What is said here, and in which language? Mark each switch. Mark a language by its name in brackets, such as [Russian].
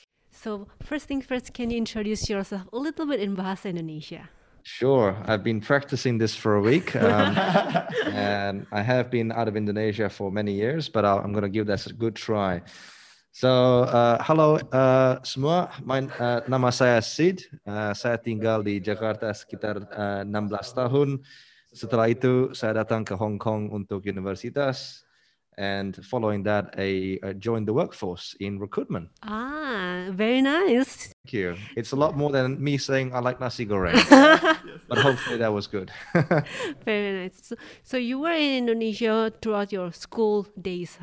[English] So first things first, can you introduce yourself a little bit in Bahasa Indonesia? Sure. I've been practicing this for a week and I have been out of Indonesia for many years, but I'm going to give this a good try. [Indonesian] So, hello semua. Nama saya Sid. Saya tinggal di Jakarta sekitar 16 tahun. Setelah itu, saya datang ke Hong Kong untuk universitas. [English] And following that, I joined the workforce in recruitment. Ah, very nice. Thank you. It's a lot more than me saying I like nasi goreng. But hopefully that was good. Very nice. So you were in Indonesia throughout your school days,